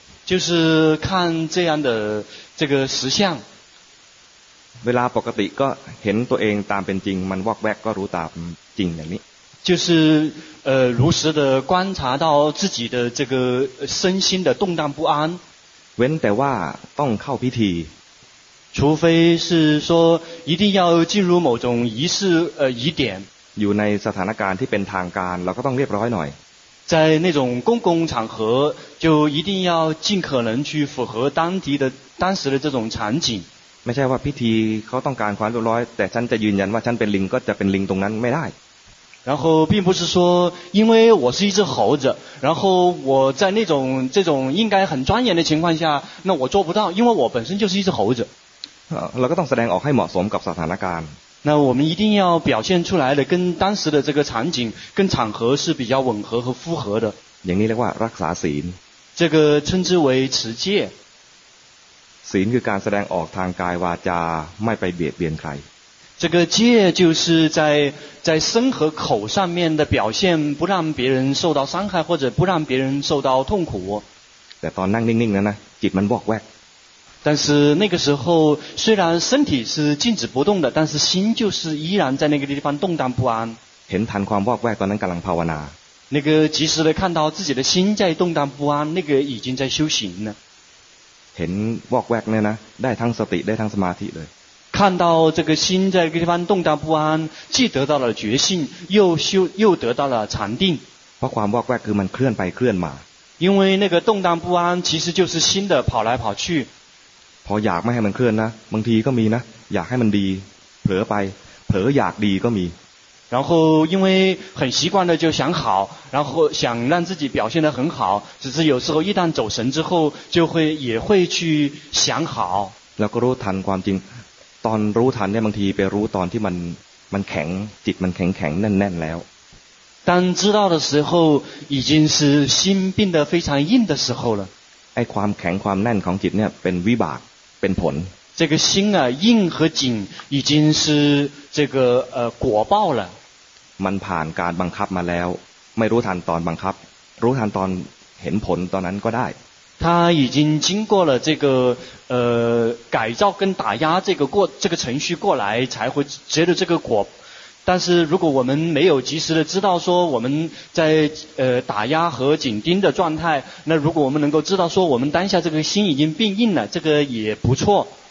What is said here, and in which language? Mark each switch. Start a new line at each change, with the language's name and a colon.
Chinese: 就是看这样的这个实相
Thai: เวลาปกติก็เห็นตัวเองตามเป็นจริงมันวอกแวกก็รู้ตามจริงอย่างนี้
Chinese: 就是如实的观察到自己的这个身心的动荡不安
Thai: เว้นแต่ว่าต้องเข้าพิธี
Chinese: 除非是说一定要进入某种仪式仪典
Thai: อยู่ในสถานการณ์ที่เป็นทางการเราก็ต้องเรียบร้อยหน่อย
Chinese: 在那种公共场合就一定要尽可能去符合当地的当时的这种场景
Thai: ไม่ใช่ว่าพิธีเขาต้องการความเรียบร้อยแต่ฉันจะยืนยันว่าฉันเป็นลิงก็จะเป็นลิงตรงนั้นไม่ได้
Chinese: 然后并不是说因为我是一只猴子然后我在那种这种应该很庄严的情况下那我做不到因为我本身就是一只猴子
Thai: เราก็ต้องแสดงออกให้เหมาะสมกับสถานการณ์
Chinese: 那我们一定要表现出来的跟当时的这个场景跟场合是比较吻合和符合的
Thai: อย่างนี้เรียกว่ารักษาศีล
Chinese: 这个称之为持戒
Thai: ศีลคือการแสดงออกทางกายวาจาไม่ไปเบียดเบียนใคร
Chinese: 这个戒就是在身和口上面的表现不让别人受到伤害或者不让别人受到痛苦
Thai: แต่ตอนนั่งนิ่งๆแล้วนะจิตมันวอกแวก
Chinese: 但是那个时候虽然身体是静止不动的但是心就是依然在那个地方动荡不安
Thai: เห็นทันความวอกแวกตอนนั้นกำลังภาวนา
Chinese: 那个及时的看到自己的心在动荡不安那个已经在修行了
Thai: เห็นวอกแวกเนี่ยนะได้ทั้งสติได้ทั้งสมาธิเลย
Chinese: 看到这个心在那个地方动荡不安既得到了觉性又得到了禅定
Thai: เพราะความวอกแวกคือมันเคลื่อนไปเคลื่อนมา
Chinese: 因为那个动荡不安其实就是心的跑来跑去
Thai: พออยากไม่ให้มันเคลื่อนนะบางทีก็มีนะอยากให้มันดีเผลอไปเผลออยากดีก็มี
Chinese: 然后因为很习惯的就想好然后想让自己表现得很好只是有时候一旦走神之后就会也会去想好
Thai: แล้วก็รู้ทันความจริงตอนรู้ทันเนี่ยบางทีไปรู้ตอนที่มันแข็งจิตมันแข็งๆแน่นๆแล้ว
Chinese: 当知道的时候已经是心变得非常硬的时候了
Thai: ไอ้ความแข็งความแน่นของจิตเนี่ยเป็นวิบากเป็นผล
Chinese: 这个心啊硬和紧已经是这个果报了
Thai: มันผ่านการบังคับมาแล้วไม่รู้ทันตอนบังคับรู้ทันตอนเห็นผลตอนนั้นก็ได้
Chinese: 它已经经过了这个改造跟打压这个程序过来才会结的这个果但是如果我们没有及时的知道说我们在打压和紧盯的状态那如果我们能够知道说我们当下这个心已经变硬了这个也不错